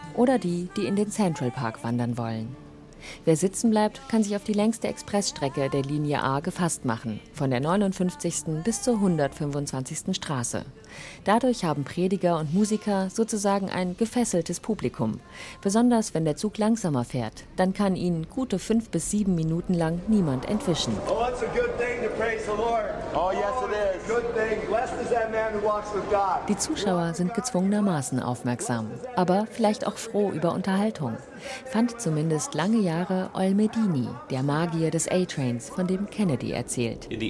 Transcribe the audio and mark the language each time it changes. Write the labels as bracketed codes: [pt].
[de] Oder die, die in den Central Park wandern wollen. Wer sitzen bleibt, kann sich auf die längste Expressstrecke der Linie A gefasst machen, von der 59. bis zur 125. Straße. Dadurch haben Prediger und Musiker sozusagen ein gefesseltes Publikum. Besonders wenn der Zug langsamer fährt, dann kann ihnen gute 5 bis 7 Minuten lang niemand entwischen. [en] Oh, it's a good thing to praise the Lord. Oh, yes, it is. Good thing. Blessed is that man who walks with God. [de] Die Zuschauer sind gezwungenermaßen aufmerksam, aber vielleicht auch froh über Unterhaltung. Fand zumindest lange Jahre Ol Medini, der Magier des A-Trains, von dem Kennedy erzählt.